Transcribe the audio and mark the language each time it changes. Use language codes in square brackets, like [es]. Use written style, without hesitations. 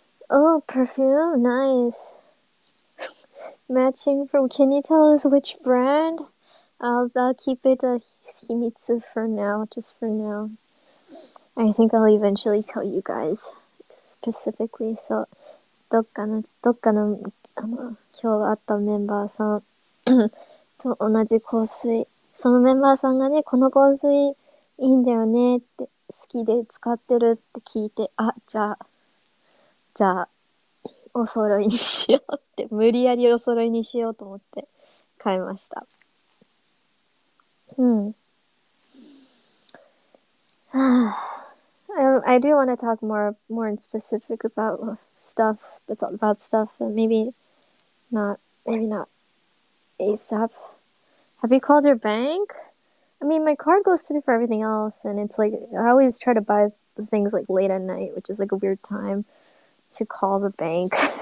[en] Oh, perfume, nice. Matching from, can you tell us which brand? I'll keep it a himitsu for now, just for now. I think I'll eventually tell you guys specifically. [ja] So, どっかの今日会ったメンバーさんと同じ香水。そのメンバーさんがね、この香水いいんだよねって、好きで使ってるって聞いて、あ、じゃあ、じゃあ、お揃いにしようって、無理やりお揃いにしようと思って買いました。 [en] I do want to talk more in specific about stuff, about stuff, maybe not ASAP. Have you called your bank? I mean, my card goes through for everything else, and it's like, I always try to buy things like late at night, which is like a weird time to call the bank.